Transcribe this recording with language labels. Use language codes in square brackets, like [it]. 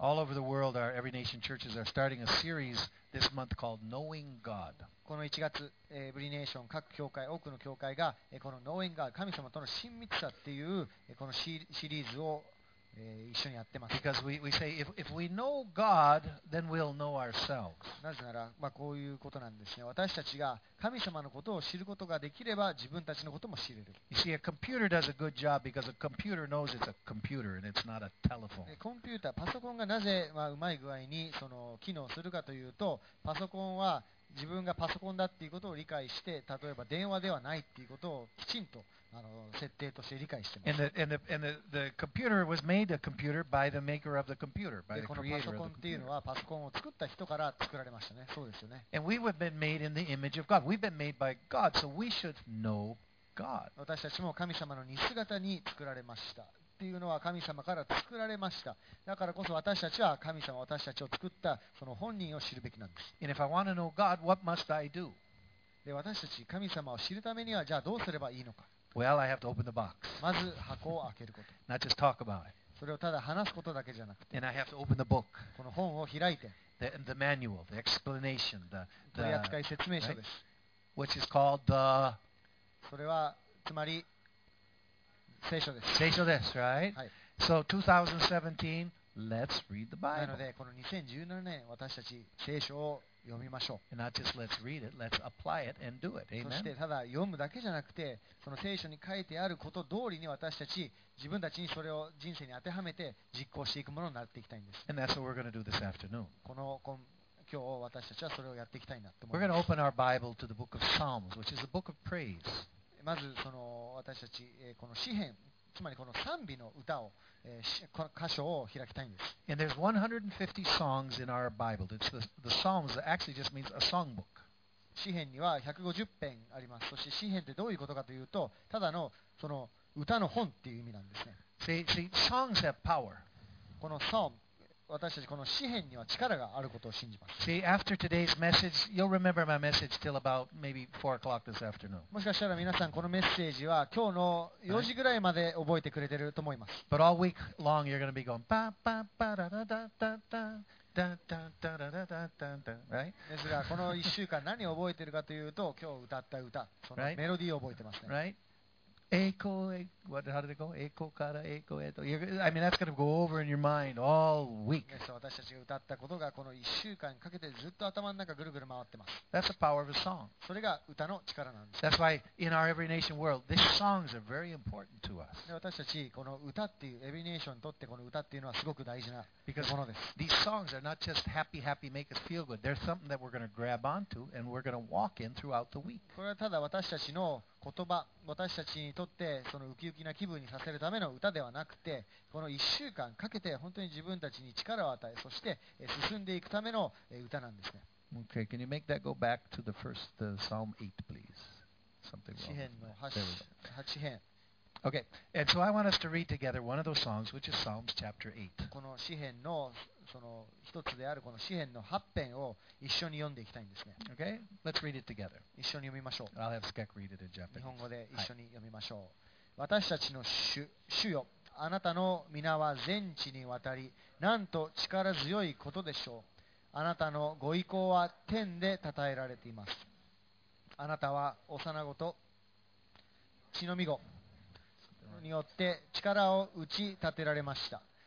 [en] All over the world, our Every Nation churches are starting a series this month called Knowing God. [ja] この1月、Every Nation 各教会、多くの教会が、この Knowing God、神様との親密さっていう、このシリーズを、一緒にやってます。 [en] Because we say if we know God, then we'll know ourselves. [ja] なぜなら、まあこういうことなんですね。私たちが神様のことを知ることができれば、自分たちのことも知れる。 [en] You see, a computer does a good job because a computer knows it's a computer and it's not a telephone. [ja] コンピューター、パソコンがなぜまあうまい具合にその機能するかというと、パソコンは自分がパソコンだっていうことを理解して、例えば電話ではないっていうことをきちんと設定として理解してます。 [en] And the computer was made a computer by the maker of the computer, by the creator of the computer. [ja] このパソコンっていうのはパソコンを作った人から作られましたね。そうですよね。 [en] And we have been made in the image of God. We've been made by God, so we should know God. [ja] 私たちも神様の似姿に作られました。っていうのは神様から作られました。だからこそ私たちは神様、私たちを作ったその本人を知るべきなんです。 [en] And if I want to know God, what must I do? [ja] で、私たち神様を知るためにはじゃあどうすればいいのか。 [en] Well, I have to open the box. [ja] まず箱を開けること。 [en] Not just talk about it. [ja] それをただ話すことだけじゃなくて、 [en] And I have to open the book. [ja] この本を開いて、 [en] The manual, the explanation, the [ja] 取扱い説明書です、 [en] right? Which is called the [ja] それはつまり聖書です。聖書です、 [en] right? [ja] はい。 [en] So 2017, let's read the Bible. [ja] なのでこの2017年、私たち聖書を読みましょう。 [en] And not just let's read it, let's apply it and do it. Amen. [ja] そしてただ読むだけじゃなくて、その聖書に書いてあること通りに私たち自分たちにそれを人生に当てはめて実行していくものになっていきたいんです。 [en] And that's what we're going to do this afternoon. [ja] この今日私たちはそれをやっていきたいなと思います。 [en] We're going to open our Bible to the book of Psalms, which is a book of praise. [ja] まずその私たちこの詩編、つまりこの賛美の歌を、この箇所を開きたいんです。 [en] And there's 150 songs in our Bible. It's the Psalms that actually just means a songbook. [ja] 詩編には150編あります。そして詩編ってどういうことかというと、ただのその歌の本っていう意味なんですね。 [en] See, songs have power. [ja] この Psalm、私たちこの詩編には力があることを信じます。 [en] See, after today's message, you'll remember my message till about maybe 4 o'clock this afternoon. [ja] もしかしたら皆さんこのメッセージは今日の4時ぐらいまで覚えてくれてると思います。 [en] But all week long you're going to be going パッパッパラダダダダダダダダダダダダ、 right? [ja] ですがこの1週間何を覚えてるかというと、今日歌った歌、そのメロディーを覚えてますね。 [en] Right? [ja] 栄光へ、 [en] what, how did it go? [ja] 栄光から栄光へと。 [en] I mean, that's going to go over in your mind all week. Yes, [ja] 私たちが歌ったことがこの1週間かけてずっと頭の中ぐるぐる回ってます。 [en] That's the power of a song. [ja] それが歌の力なんです。 [en] That's why in our Every Nation world, these songs are very important to us. [ja] 私たちこの歌っていう、Every Nation にとってこの歌っていうのはすごく大事なものです。 [en] Because these songs are not just happy, happy, make us feel good. They're something that we're going to grab onto and we're going to walk in throughout the week. [ja] これはただ私たちの言葉、私たちにとってそのウキウキな気分にさせるための歌ではなくて、この1週間かけて本当に自分たちに力を与え、そして進んでいくための歌なんですね。 [en] Okay, can you make that go back to the first the Psalm 8, please? Something wrong. [ja] 詩編の8編。 [en] Okay, and so I want us to read together one of those songs, which is Psalms chapter 8. [ja] この詩編のその一つであるこの詩編の8編を一緒に読んでいきたいんですね。 [en] Okay, let's read it together. [ja] 一緒に読みましょう。 [en] I'll have Skek read it in Japanese. [ja] 日本語で一緒に読みましょう。はい、私たちの 主よ、あなたの皆は全地にわたり、なんと力強いことでしょう。あなたのご意向は天で称えられています。あなたは幼子と血のみ子によって力を打ち立てられました。